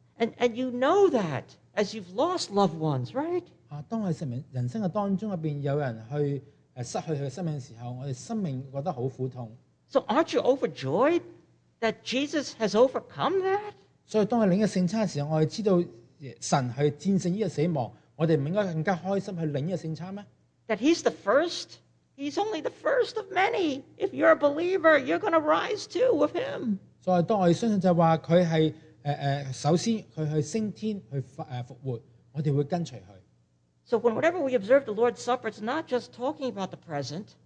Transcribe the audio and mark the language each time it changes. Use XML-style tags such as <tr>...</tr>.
<en>And you know that as you've lost loved ones, right?</en> <zh>当我们人生当中有人去失去他的生命的时候, 我们生命觉得很苦痛。</zh> <en>So aren't you overjoyed that Jesus has overcome that?</en> <zh>所以当我们领了圣餐的时候, 我们知道神去战胜这个死亡, 我们不应该更加开心去领这个圣餐吗?</zh> <en>That he's the first, he's only the first of many. If you're a believer, you're going to rise too with him.</en> <zh>So, 当我们相信就是说他是首先他去升天去复活，我们会跟随他。</zh> <en>So, whenever we observe the Lord's Supper, it's not just talking about the present.</en>